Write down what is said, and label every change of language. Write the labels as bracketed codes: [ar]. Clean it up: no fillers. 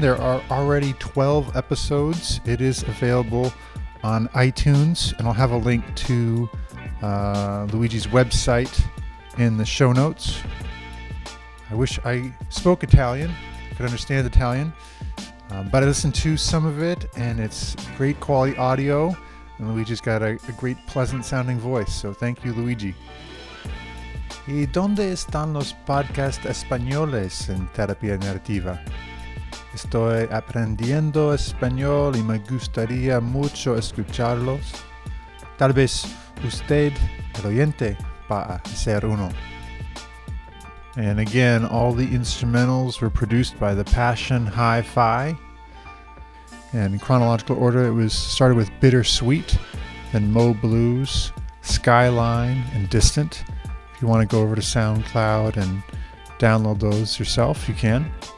[en] There are already 12 episodes. It is available on iTunes, and I'll have a link to Luigi's website in the show notes. I wish I spoke Italian, could understand Italian. But I listened to some of it, and it's great quality audio, and Luigi's got a great, pleasant-sounding voice, so thank you, Luigi. [es] ¿Y dónde están los podcasts españoles en terapia narrativa? Estoy aprendiendo español y me gustaría mucho escucharlos. Tal vez usted, el oyente, va a ser uno. [en] And again, all the instrumentals were produced by The Passion Hi-Fi. And in chronological order, it was started with Bittersweet, then Mo Blues, Skyline, and Distant. If you want to go over to SoundCloud and download those yourself, you can.